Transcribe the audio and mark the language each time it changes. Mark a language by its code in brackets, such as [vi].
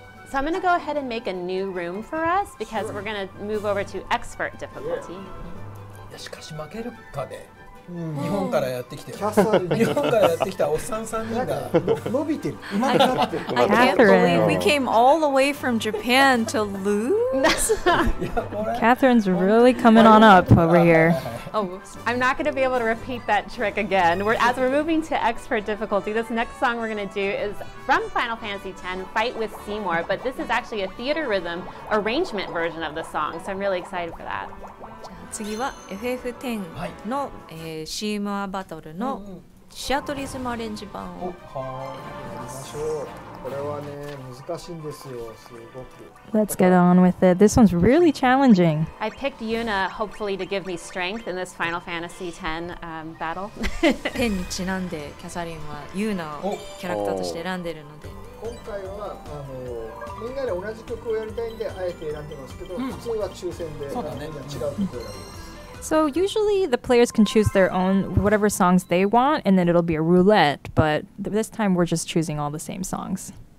[en] So I'm going to go ahead and make a new room for us because we're going to move over to expert difficulty. [ja] しかし負けるかね。日本からやってきて、日本からやってきたおっさん三人が伸びてる。 [en] I can't believe we came all the way from Japan to lose. Catherine's really coming on up over here. Oh, I'm not going to be able to repeat that trick again. As we're moving to expert difficulty, this next song we're going to do is from Final Fantasy X, Fight with Seymour, but this is actually a THEATRHYTHM arrangement version of the song, so I'm really excited for that. [ja] 次は FF10 の、はい、シーモアバトルのシアトリズムアレンジ版を、はい、やりましょう。これはね、難しいんですよ、すごく。 [en] Let's get on with it. This one's really challenging. I picked Yuna hopefully to give me strength in this Final Fantasy X、battle. [ja] 10にちなんでキャサリンはユーナをキャラクターとして選んでるので、今回はあのみんなで同じ曲をやりたいんであえて選んでますけど、うん、普通は抽選で、そうだね、みんな違う曲を選びます。 [en] So usually the players can choose their own whatever songs they want, and then it'll be a roulette. But this time we're just choosing all the same songs.